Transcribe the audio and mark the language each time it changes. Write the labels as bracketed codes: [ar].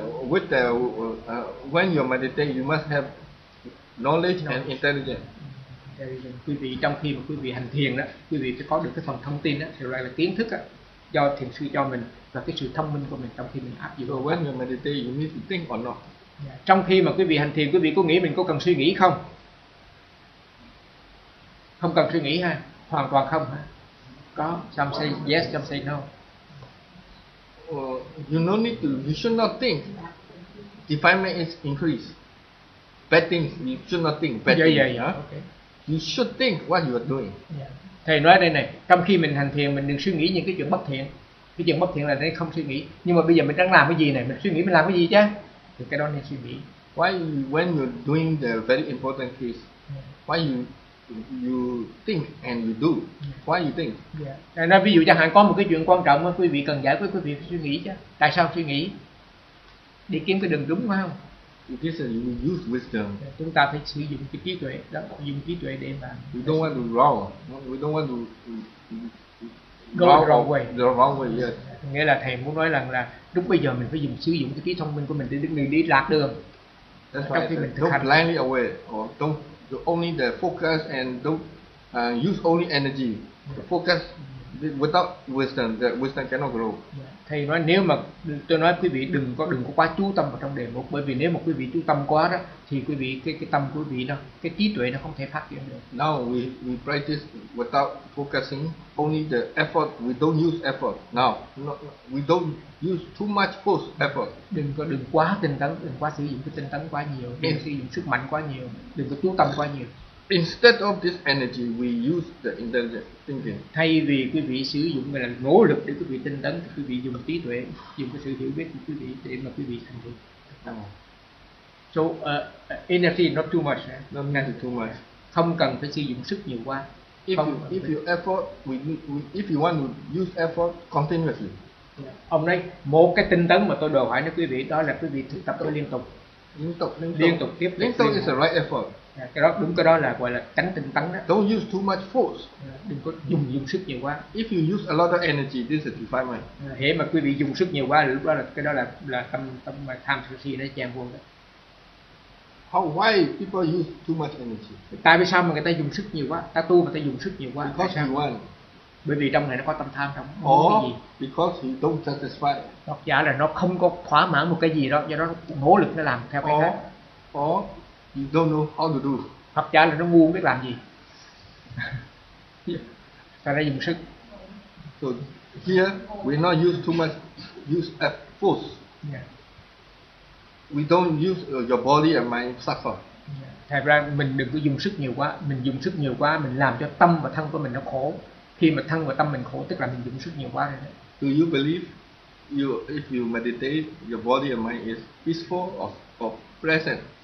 [en] With the when you meditate, you must have knowledge and intelligence. [vi] Quý vị trong khi mà quý vị hành thiền đó, quý vị sẽ có được cái phần thông tin đó, thì gọi là kiến thức đó, do thiền sư cho mình và cái sự thông minh của mình trong khi mình áp dụng. [en] So when you meditate, you need to think or not? [vi] Trong khi mà quý vị hành thiền, quý vị có nghĩ mình có cần suy nghĩ không? Không cần suy nghĩ ha, hoàn toàn không ha. Có, [en] some say yes, some say no. You no need to. You should not think. Defilement is increased. Bad things. You should not think. Bad things. Yeah, yeah. Okay. You should think what you are doing. [vi] Yeah. Thầy nói đây này. Trong khi mình hành thiền, mình đừng suy nghĩ những cái chuyện bất thiện. Cái chuyện bất thiện là nên không suy nghĩ. Nhưng mà bây giờ mình đang làm cái gì này? Mình suy nghĩ mình làm cái gì chứ? Thì cái đó nên suy nghĩ. [en] Why when you doing the very important things? Why you think and you do. Why you think? Yeah. [vi] Nói ví dụ chẳng hạn có một cái chuyện quan trọng mà quý vị cần giải quyết, quý vị phải suy nghĩ chứ. Tại sao suy nghĩ? Đi kiếm cái đường đúng phải không? [en] This is you use wisdom. [vi] Chúng ta phải sử dụng cái trí tuệ, đó, dùng trí tuệ để mà. [en] We don't want to wrong. We don't want to go the wrong way. The wrong way, yes. [vi] Nghĩa là thầy muốn nói rằng là lúc bây giờ mình phải dùng sử dụng cái trí thông minh của mình để mình đi lạc đường. [en] That's why I said, don't blindly away or don't. The only the focus and don't use only energy. The focus without wisdom, the wisdom cannot grow. [vi] Thầy nói nếu mà tôi nói quý vị đừng có quá chú tâm vào trong đề mục, bởi vì nếu mà quý vị chú tâm quá đó thì quý vị cái tâm quý vị nó cái trí tuệ nó không thể phát triển được. [en] Now we practice without focusing, only the effort, we don't use effort. Now we don't use too much force effort. [vi] Đừng quá tinh tấn, đừng quá sử dụng cái tinh tấn quá nhiều, đừng sử dụng sức mạnh quá nhiều, đừng có chú tâm quá nhiều. [en] Instead of this energy, we use the intelligent thinking. [vi] Thay vì quý vị sử dụng là nỗ lực để quý vị tinh tấn, quý vị dùng trí tuệ, dùng cái sự hiểu biết của quý vị để mà quý vị thành công. [en] So energy not too much. Not necessary too much. [vi] Không cần phải sử dụng sức nhiều quá. [en] If you want to use effort continuously. [vi] Ông nói một cái tinh tấn mà tôi đòi hỏi cho quý vị đó là quý vị thực tập liên tục. Liên tục tiếp. Liên tục [en] is the right effort. [vi] Cái đó đúng, cái đó là gọi là tránh tinh tấn đó. [en] Don't use too much force. [vi] Đừng có dùng sức nhiều quá. [en] If you use a lot of energy, this is defilement. [vi] Thế mà quý vị dùng sức nhiều quá lúc đó là cái đó là tâm mà tham sân si nó chèn vô đó. [en] How why people use too much energy? [vi] Tại vì sao mà người ta dùng sức nhiều quá? Ta tu mà ta dùng sức nhiều quá. [en] Because you want. [vi] Bởi vì trong này nó có tâm tham trong cái gì? [en] Because you don't satisfy. [vi] Hoặc giả là nó không có thỏa mãn một cái gì đó, do đó nó nỗ lực nó làm theo cái khác. [en] or you don't know how to do. [vi] Học giả là nó ngu biết làm gì. Ta đã dùng sức. [en] So here we not use too much use of force. Yeah. We don't use your body and mind suffer. [vi] Thật ra mình đừng có dùng sức nhiều quá, mình dùng sức nhiều quá mình làm cho tâm và thân của mình nó khổ. Khi mà thân và tâm mình khổ tức là mình dùng sức nhiều quá rồi. [en] Do you believe you if you meditate your body and mind is peaceful or present?